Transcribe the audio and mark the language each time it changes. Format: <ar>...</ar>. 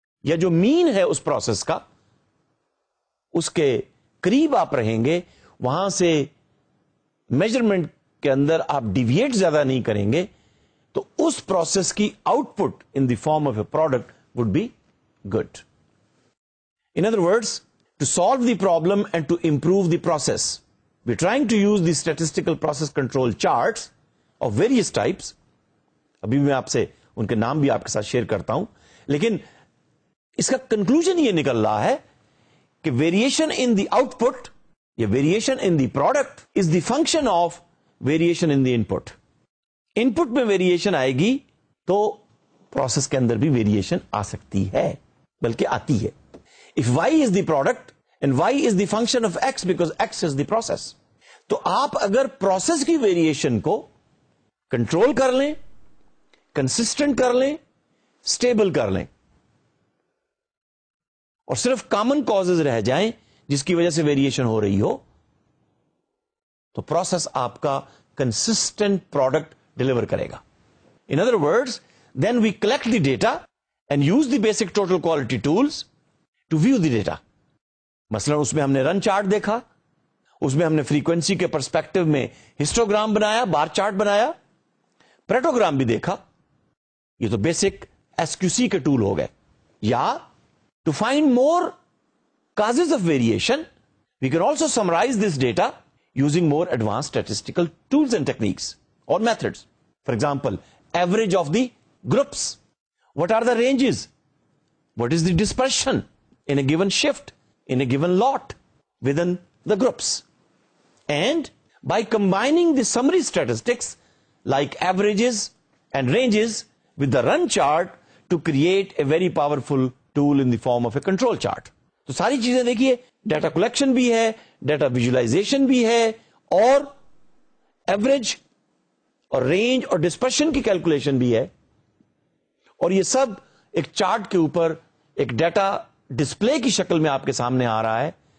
<ur>یا جو مین ہے اس پروسیس کا, اس کے قریب آپ رہیں گے, وہاں سے میجرمنٹ کے اندر آپ ڈیویٹ زیادہ نہیں کریں گے, تو اس پروسیس کی out put</ur> <en>In the form of a product would be good. In other words, to solve the problem and to improve the process, we trying to use the statistical process control charts of various types.</en> <ur>ابھی میں آپ سے ان کے نام بھی آپ کے ساتھ شیئر کرتا ہوں, لیکن اس کا کنکلوژن یہ نکل رہا ہے کہ</ur> <en>Variation in the output, variation in the product is the function of variation in the input.</en> <ur>Input میں ویریشن آئے گی تو پروسیس کے اندر بھی ویریشن آ سکتی ہے, بلکہ آتی ہے.</ur> <en>if Y is the product and Y is the function of X because X is the process,</en> <ur>تو آپ اگر پروسیس کی ویریشن کو کنٹرول کر لیں, کنسٹنٹ کر لیں, اسٹیبل کر لیں, اور صرف کامن کازز رہ جائیں جس کی وجہ سے ویریشن ہو رہی ہو, تو پروسیس آپ کا کنسسٹنٹ پروڈکٹ ڈیلیور کرے گا.</ur> <en>In other words, then we collect the data and use the basic total quality tools to view the data.</en> <ur>مثلاً اس میں ہم نے رن چارٹ دیکھا, اس میں ہم نے فریکوینسی کے پرسپیکٹو میں ہسٹوگرام بنایا, بار چارٹ بنایا, پریٹوگرام بھی دیکھا. یہ تو بیسک ایس کیو سی کے ٹول ہو گئے.</ur> <en>یا to find more causes of variation, we can also summarize this data using more advanced statistical tools and techniques or methods. For example, average of the groups. What are the ranges? What is the dispersion in a given shift, in a given lot within the groups? And by combining the summary statistics like averages and ranges with the run chart to create a very powerful tool in the form of a control chart.</en> <ur>تو ساری چیزیں دیکھیے, data collection بھی ہے, data visualisation بھی ہے, اور average اور رینج اور ڈسپرشن کی کیلکولیشن بھی ہے, اور یہ سب ایک چارٹ کے اوپر ایک ڈیٹا ڈسپلے کی شکل میں آپ کے سامنے آ رہا ہے.</ur>